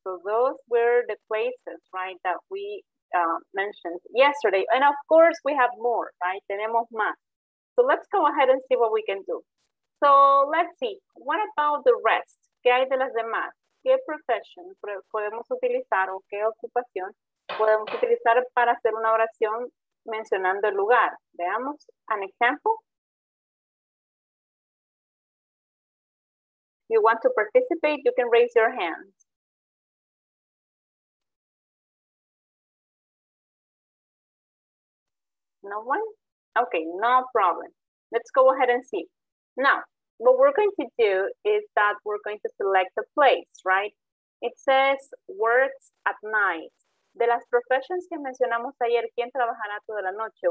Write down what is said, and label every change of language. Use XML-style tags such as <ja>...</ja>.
<en>So those were the places, right, that we mentioned yesterday. And of course, we have more, right? Tenemos más. So let's go ahead and see what we can do. So let's see. What about the rest? ¿Qué hay de las demás?</en> <es>¿Qué profesión podemos utilizar o qué ocupación podemos utilizar para hacer una oración mencionando el lugar?</es> <en>Veamos an example. you want to participate, you can raise your hand. No one? Okay, no problem. Let's go ahead and see. Now, what we're going to do is that we're going to select a place, right? It says works at night.</en> <es>De las profesiones que mencionamos ayer, ¿quién trabajará toda la noche?</es>